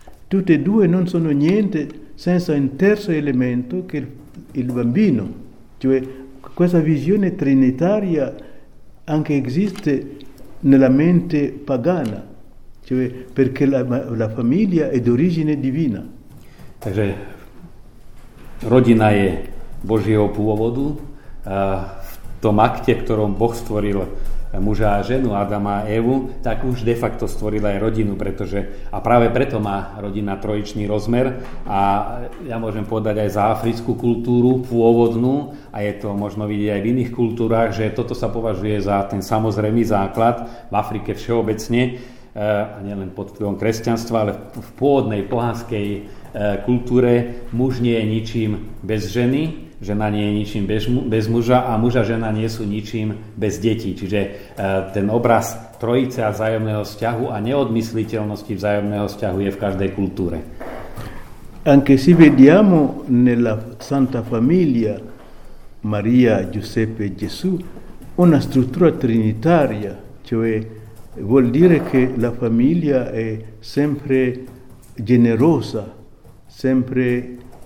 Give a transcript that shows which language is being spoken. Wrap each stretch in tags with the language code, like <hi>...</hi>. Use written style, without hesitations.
<it>Tutte e due non sono niente senza un terzo elemento che il bambino. Cioè questa visione trinitaria anche esiste nella mente pagana. Cioè perché la famiglia è d'origine divina. Cioè,</it> <sk>rodina è Božieho pôvodu. V tom akte, ktorom Boh stvoril muža a ženu, Adama a Evu, tak už de facto stvorila aj rodinu, pretože a práve preto má rodina trojičný rozmer a ja môžem povedať aj za africkú kultúru pôvodnú a je to možno vidieť aj v iných kultúrach, že toto sa považuje za ten samozrejmý základ v Afrike všeobecne, a nielen pod vplyvom kresťanstva, ale v pôvodnej pohanskej kultúre muž nie je ničím bez ženy, žena nie je ničím bez muža a muž a žena nie sú ničím bez detí. Čiže ten obraz trojice a vzájomného vzťahu a neodmysliteľnosti vzájomného vzťahu je v každej kultúre.</sk> <it>Anche si vediamo nella Santa Famiglia Maria, Giuseppe e Gesù una struttura trinitaria, cioè vuol dire che la famiglia è sempre generosa, sempre</it>